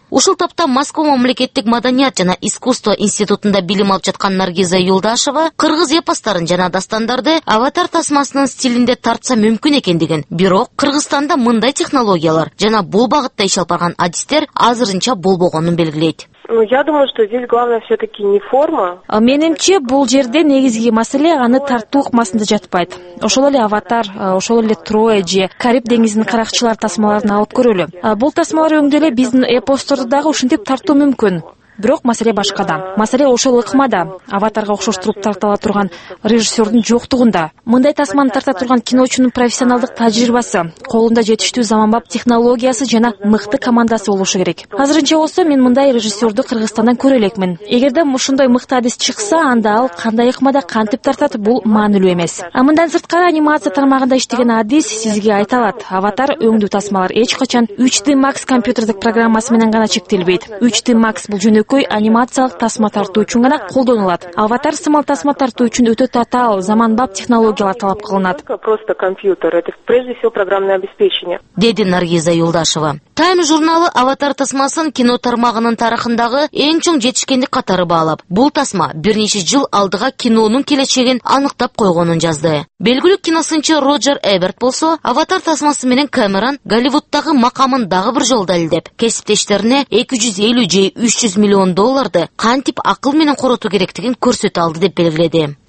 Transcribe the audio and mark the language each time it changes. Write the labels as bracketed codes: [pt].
[ky] Ушул тапта Москва мамлекеттик маданият жана искусство институтунда билим алып жаткан Наргиза Юлдашева кыргыз эпостарын жана дастандарды аватар тасмасынын стилинде тартса мүмкүн экендигин, бирок Кыргызстанда мындай технологиялар жана бул багытта иш алып барган адистер азырынча болбогонун белгилейт. [ru] Ну, я думаю, что здесь главное все-таки не форма. [ky] Менимче, бул жерде негизги маселе аны тартуу ыкмасында жатпайт. Ошол эле аватар, ошол эле Троя же Кариб деңизинин каракчылар тасмаларын алып көрөлү. Бул тасмалар өңдө эле биздин эпосторду дагы ушинтип тартуу мүмкүн. Бирок маселе башкада. Маселе ошол ыкмада, аватарга окшоштуруп тартыла турган режиссердун жоктугунда. Мындай тасманы тарта турган киночунун профессионалдык тажрыйбасы, колунда жетиштүү заманбап технологиясы жана мыкты командасы болушу керек. Азырынча болсо мен мындай режиссерду Кыргызстандан көрө элекмин. Эгерде ушундай мыкты адис чыкса, анда ал кандай ыкмада кантип тартат, бул маанилүү эмес. А мындан сырткары анимация тармагында иштеген адис сизге айта алат. Аватар өңдүү тасмалар эч качан 3D Max компьютердик программасы менен гана чектелбейт. 3D Max бул көй анимациялык тасма тартуу үчүн гана колдонулат. Аватар сымал тасма тартуу үчүн өтө татаал заманбап технологиялар талап кылынат. [ru] Просто компьютер, это прежде всего программное обеспечение. [ky] Деди Наргиза Юлдашева. Тайм журналы аватар тасмасын кино тармагынын тарыхындагы эң чоң жетишкендик катары баалап, бул тасма бир нече жыл алдыга кинонун келечегин аныктап койгонун жазды. Белгилүү киносынчы Роджер Эберт болсо, аватар тасмасы менен Камерон Голливуддагы макамын дагы бир жолу далилдеп, кесиптештерине 250 же 300 миллион долларды кантип акыл менен коротуу керектигин көрсөтө алды деп белгиледи.